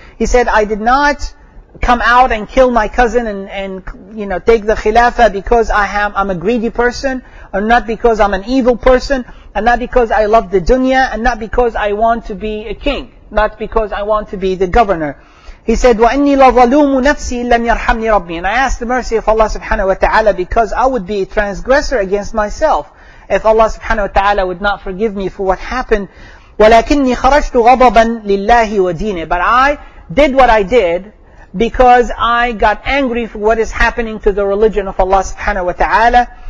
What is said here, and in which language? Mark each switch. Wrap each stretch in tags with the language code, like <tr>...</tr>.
<en>He said, "I did not come out and kill my cousin and you know take the Khilafah because I'm a greedy person, or not because I'm an evil person, and not because I love the dunya, and not because I want to be a king, not because I want to be the governor." He said,</en> <ar>"وَإِنِّي لَظَلُومُ نَفْسِي لَمْ يَرْحَمْنِي رَبِّي."</ar> <en>And I asked the mercy of Allah subhanahu wa ta'ala, because I would be a transgressor against myself if Allah subhanahu wa ta'ala would not forgive me for what happened.</en> <ar>وَلَكِنِّي خَرَجْتُ غَضَبًا لِلَّهِ وَدِينِ.</ar> <en>But I did what I did because I got angry for what is happening to the religion of Allah subhanahu wa ta'ala.</en>